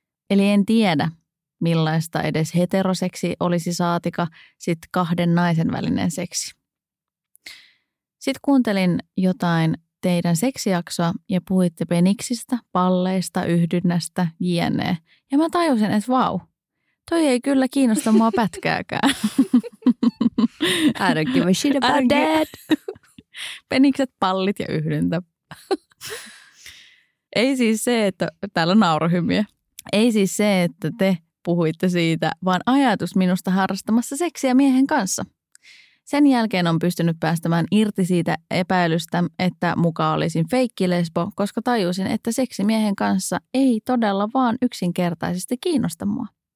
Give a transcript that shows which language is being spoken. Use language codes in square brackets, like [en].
[fi] Eli en tiedä, millaista edes heteroseksi olisi saatika sit 2 naisen välinen seksi. Sitten kuuntelin jotain teidän seksijaksoa ja puhuitte peniksistä, palleista, yhdynnästä, jne. Ja mä tajusin, että vau, toi ei kyllä kiinnosta mua pätkääkään. [en] I don't give a shit about that. [fi] Penikset, pallit ja yhdyntä. Ei siis se, että täällä on naurahymiä. Ei siis se, että te puhuitte siitä, vaan ajatus minusta harrastamassa seksiä miehen kanssa. Sen jälkeen on pystynyt päästämään irti siitä epäilystä, että muka olisin feikkilesbo, koska tajusin, että seksimiehen kanssa ei todella vaan yksinkertaisesti kiinnosta mua.